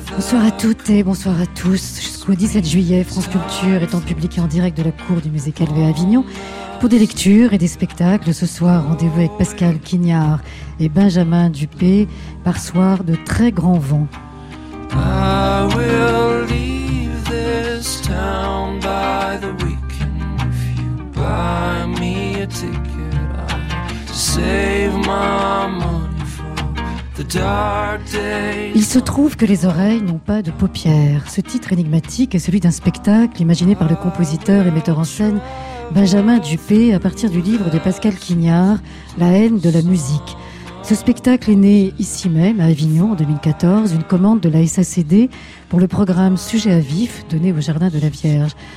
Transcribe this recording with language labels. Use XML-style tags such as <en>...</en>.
<fr>Bonsoir à toutes et bonsoir à tous. Jusqu'au 17 juillet, France Culture est en public et en direct de la cour du musée Calvé à Avignon pour des lectures et des spectacles. Ce soir, rendez-vous avec Pascal Quignard et Benjamin Dupé par soir de très grand vent.</fr> <en>I will leave this town by the weekend if you buy me a ticket. I save my money for the dark days.</en> <fr>Il se trouve que les oreilles n'ont pas de paupières. Ce titre énigmatique est celui d'un spectacle imaginé par le compositeur et metteur en scène Benjamin Dupé à partir du livre de Pascal Quignard, La haine de la musique. Ce spectacle est né ici même, à Avignon, en 2014, une commande de la SACD pour le programme Sujet à vif, donné au Jardin de la Vierge.</fr>